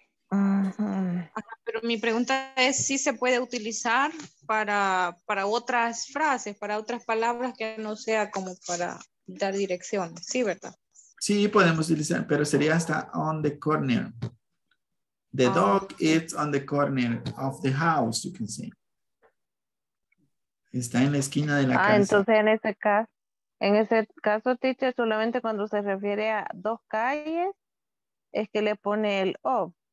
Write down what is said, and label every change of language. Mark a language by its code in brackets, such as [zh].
[es] Ajá, pero mi pregunta es si se puede utilizar para otras frases, para otras palabras que no sea como para dar direcciones, ¿sí, verdad? Sí, podemos utilizar, pero sería hasta [en] on the corner. The dog is on the corner of the house, you can see. [es] Está en la esquina de la casa. Ah, entonces en ese caso, teacher, solamente cuando se refiere a dos calles, es que le pone el off.